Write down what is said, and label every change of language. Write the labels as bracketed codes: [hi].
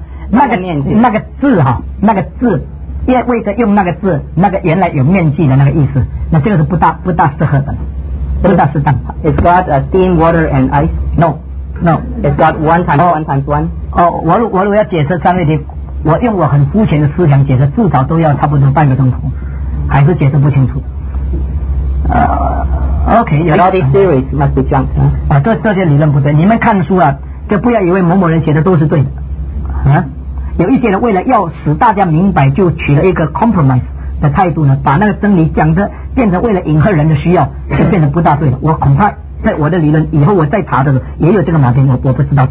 [zh] 那个字，因为他用那个字，那个原来有面具的那个意思，那这个是不大适合的，不大适当。 [en] Is God a steam, water, and ice? No. Is God one times one times one? [zh] 我要解释三位题，我用我很肤浅的思想解释，至少都要差不多半个钟头。还是解释不清楚。 [en] All these theories must be junk. [zh] 这些理论不对。你们看书啊，就不要以为某某人写的都是对的。有一些人为了要使大家明白，就取了一个 compromise 的态度呢，把那个真理讲的变成为了迎合人的需要，就变成不大对了。我恐怕在我的理论以后，我再查的时候也有这个毛病，我不知道。